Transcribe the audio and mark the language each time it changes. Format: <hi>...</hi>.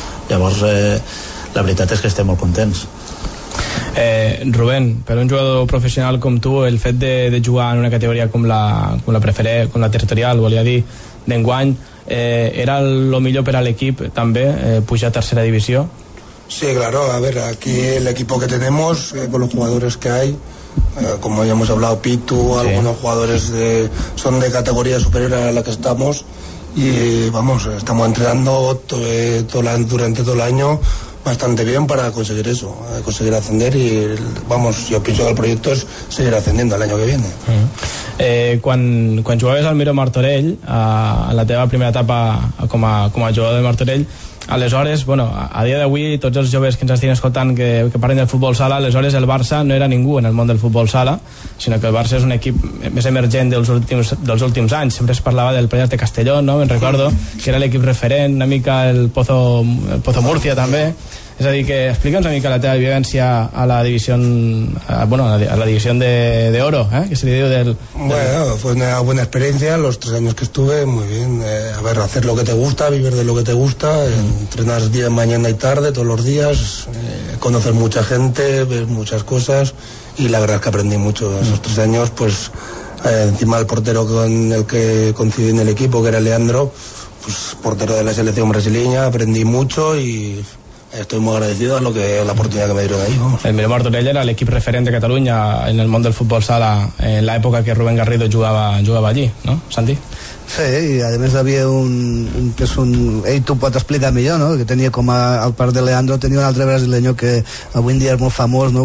<ca>Llavors la veritat és que estem molt contents. Rubén, per un jugador professional com tu, el fet de jugar en una categoria com la preferent, com la territorial, volia dir, d'enguany, era el millor per a l'equip també, pujar a tercera divisió?</ca> <es>Sí, claro, a ver, aquí el equipo que tenemos, con los jugadores que hay, como ya hemos hablado, Pitu, sí, algunos jugadores son de categoría superior a la que estamos, y vamos, estamos entrenando durante todo el año bastante bien para conseguir eso, conseguir ascender, y vamos, yo pienso que el proyecto es seguir ascendiendo el año que viene. Uh-huh.</es> <ca>Quan jugaves al Miro Martorell, a la teva primera etapa com a jugador de Martorell, aleshores, bueno, a dia d'avui tots els joves que ens estiguin escoltant que parlen del futbol sala, aleshores el Barça no era ningú en el món del futbol sala, sinó que el Barça és un equip més emergent dels últims anys. Sempre es parlava del Playas de Castelló, no? Me'n recordo, que era l'equip referent, una mica el Pozo Murcia també. És a dir, que explica'ns una mica la teva vivència a la divisió, bueno, a la divisió d'oro, que se li diu del...</ca> <es>Bueno, fue una buena experiencia, los 3 años que estuve, muy bien, a ver, hacer lo que te gusta, vivir de lo que te gusta, entrenar día, mañana y tarde, todos los días, conocer mucha gente, ver muchas cosas, y la verdad es que aprendí mucho esos 3 años, pues encima el portero con el que coincidí en el equipo, que era Leandro, pues portero de la selección brasileña, aprendí mucho y... Estoy muy agradecido a lo que la oportunidad que me dieron ahí. Vamos.</es> <ca>El Miro Martorell era l'equip referent de Catalunya en el món del futbol sala en l'època que Rubén Garrido jugava allí, no, Santi? Sí, i a més havia ell t'ho pot explicar millor, no? Que tenia com el part de Leandro, tenia un altre brasileño que avui en dia és molt famós, no?</ca>